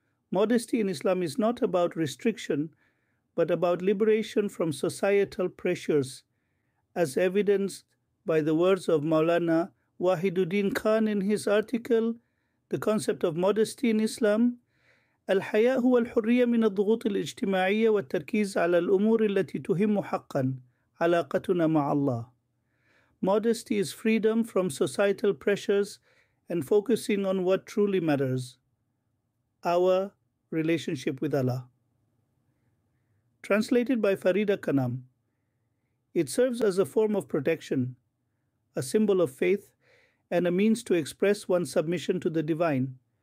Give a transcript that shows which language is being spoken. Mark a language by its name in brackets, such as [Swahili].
[English] Modesty in Islam is not about restriction, but about liberation from societal pressures, as evidenced by the words of Maulana Wahiduddin Khan in his article, The Concept of Modesty in Islam. [Arabic] الحياء هو الحرية من الضغوط الاجتماعية والتركيز على الأمور التي تهم حقا علاقتنا مع الله. [English] Modesty is freedom from societal pressures and focusing on what truly matters, our relationship with Allah. Translated by Farida Kanam. It serves as a form of protection, a symbol of faith, and a means to express one's submission to the divine.